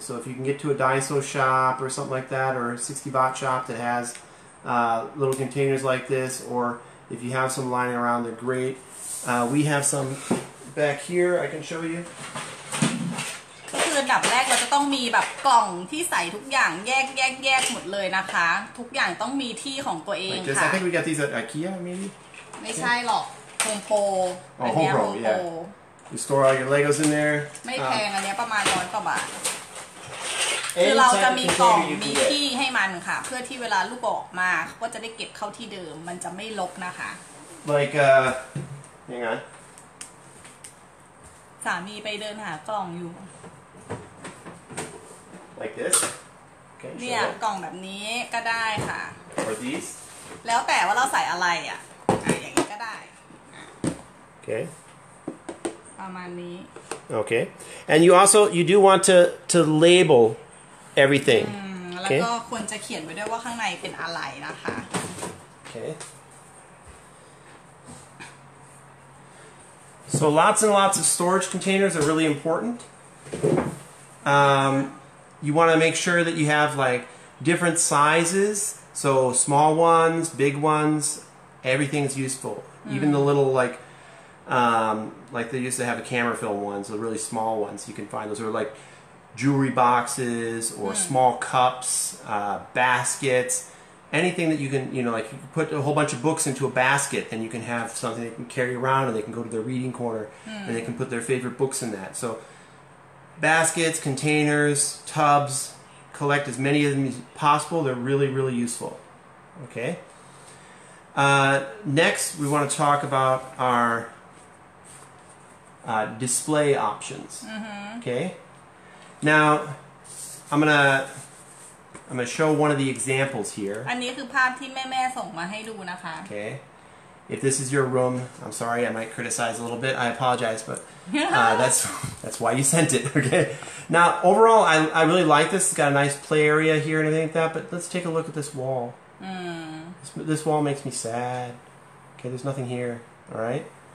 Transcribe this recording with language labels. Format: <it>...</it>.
<en>So if you can get to a Daiso shop or something like that, or a 60 baht shop that has little containers like this, or if you have some lying around, they're great. We have some back here I can show you.</en> <th>อันดับแรกเราจะต้องมีแบบกล่องที่ใส่ทุกอย่างแยกๆๆหมดเลยนะคะทุกอย่างต้องมีที่ของตัวเองค่ะ</th> <en>Just I think we got these at IKEA maybe</en> <th>ไม่ใช่หรอกโฮมโปร อันนี้โฮมโปร</th> <en>yeah You store all your Legos in there</en> <th>ไม่แพงอันนี้ประมาณ100กว่าบาทคือเราจะมีกล่องมีที่ให้มันค่ะเพื่อที่เวลาลูกออกมาก็จะได้เก็บเข้าที่เดิมมันจะไม่ลกนะคะ</th> <en>Like</en> <th>ยังไง สามีไปเดินหากล่องอยู่</th> <en>Like this.</en> <th>เนี่ยกล่องแบบนี้ก็ได้ค่ะ</th> <en>Or these.</en> <th>แล้วแต่ว่าเราใส่อะไรอ่ะอย่างนี้ก็ได้</th> <en>Okay.</en> <th>ประมาณนี้</th> <en>Okay. And you also you do want to label everything.</en> <th>แล้วก็ควรจะเขียนไว้ด้วยว่าข้างในเป็นอะไรนะคะ</th> <en>Okay. So lots and lots of storage containers are really important. You want to make sure that you have like different sizes, so small ones, big ones, everything's useful. Mm. Even the little like they used to have a camera film ones, the really small ones, you can find those. Or like jewelry boxes or small cups, baskets, anything that you can, you know, like you put a whole bunch of books into a basket and you can have something they can carry around and they can go to their reading corner and they can put their favorite books in that. So,Baskets, containers, tubs, collect as many of them as possible. They're really, really useful. Okay. Next, we want to talk about our display options. Mm-hmm. Okay. Now, I'm gonna show one of the examples here.</en> <th>อันนี้คือภาพที่แม่ๆส่งมาให้ดูนะคะ</th> <en>Okay. If this is your room, I'm sorry, I might criticize a little bit. I apologize, but that's why you sent it, okay? Now, overall, I really like this. It's got a nice play area here and everything like that, but let's take a look at this wall. This wall makes me sad. Okay, there's nothing here, all right?</en>